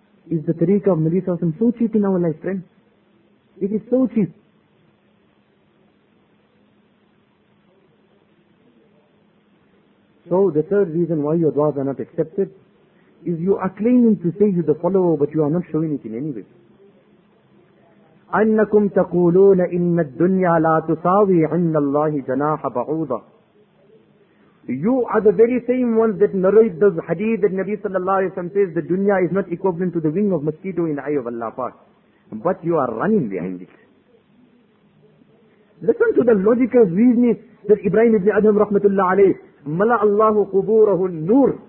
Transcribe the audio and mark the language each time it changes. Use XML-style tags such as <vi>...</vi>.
<en>Is the tariqah of Nabi Sallallahu Alaihi Wasallam so cheap in our life, friend? It is so cheap. So the third reason why your du'as are not accepted is you are claiming to say you're the follower, but you are not showing it in any way.</en> <ar>أنكم تقولون إن الدنيا لا تساوي عند الله جناح بعوضة.</ar> <en>You are the very same ones that narrate this hadith that Nabi sallallahu alayhi wa sallam says the dunya is not equivalent to the wing of mosquito in the eye of Allah Pak. But you are running behind it. Listen to the logical reasoning that Ibrahim ibn Adham rahmatullah alayhi mala Allahu quburahu nur.</en>